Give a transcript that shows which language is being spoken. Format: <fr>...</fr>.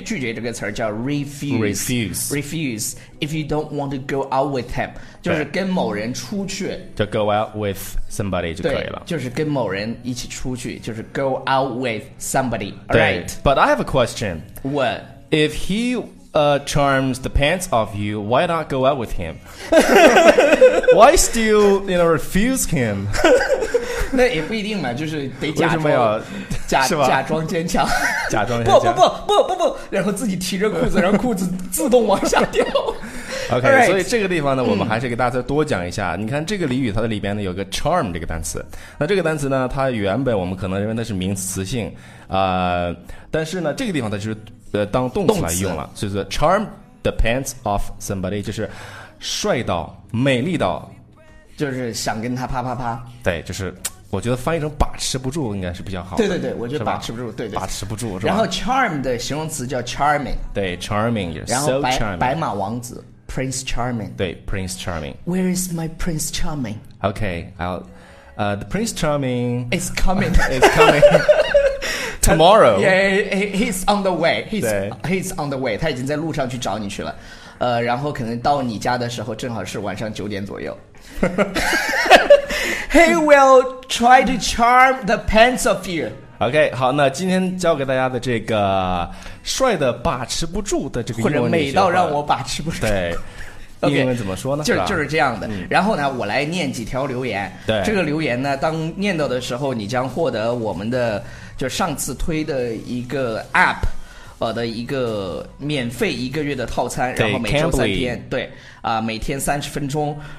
<zh>拒绝这个词叫</zh> <en>refuse if you don't want to go out with him.</en> <zh>就是跟某人出去。</zh> <en>就 go out with somebody</en> <zh>就可以了。就是跟某人一起出去，就是</zh> <en>go out with somebody. Right. But I have a question. What if he charms the pants off you? Why not go out with him? Why still, you know, refuse him?</en> <zh>那也不一定嘛，就是得假装，为什么要假装坚强，假装坚强。不，然后自己提着裤子，然后裤子自动往下掉。 OK，</zh> <en>right,</en> <zh>所以这个地方呢，我们还是给大家多讲一下。你看这个俚语，它的里边呢有个 charm 这个单词。那这个单词呢，它原本我们可能认为它是名词性，但是呢，这个地方它就是当动词来用了，就是</zh> <en>charm the pants off somebody，</en> <zh>就是帅到、美丽到，就是想跟他啪啪啪。对，就是我觉得翻译成把持不住应该是比较好的。对对对，我觉得把持不住，对把持不住是吧？然后 charm 的形容词叫 charming，对 charming， 也是</zh> <en>so charming。</en> <zh>然后白马王子。Prince Charming，对 ，Prince Charming。</zh> <en>Where is my Prince Charming？ OK， I'll， the Prince Charming is coming， is coming tomorrow。 Yeah， he's on the way， he's on the way，</en> <zh>他已经在路上去找你去了。然后可能到你家的时候正好是晚上九点左右。</zh> <en>He will try to charm the pants off you。</en> <zh>OK， 好，那今天教给大家的这个帅的把持不住的这个英文，或者美到让我把持不住，对， okay，英文怎么说呢？就是这样的。然后呢，我来念几条留言。对，这个留言呢，当念到的时候，你将获得我们的就上次推的一个 app， 的一个免费一个月的套餐，然后每周三天，对，每天三十分钟。</zh>